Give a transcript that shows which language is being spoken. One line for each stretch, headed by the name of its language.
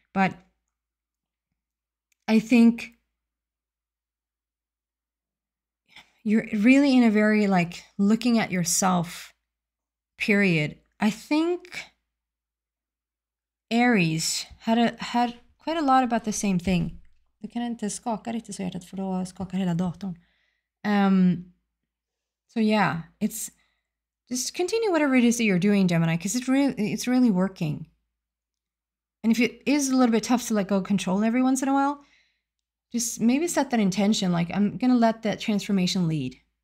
English: But I think you're really in a very like looking at yourself period. I think Aries had quite a lot about the same thing.
Swedish: Du kan inte skaka riktigt så hjärtat för då skakar hela datorn.
English: So yeah, it's just continue whatever it is that you're doing, Gemini, because it's really working. And if it is a little bit tough to let go of control every once in a while, just maybe set that intention, like I'm going to let that transformation lead.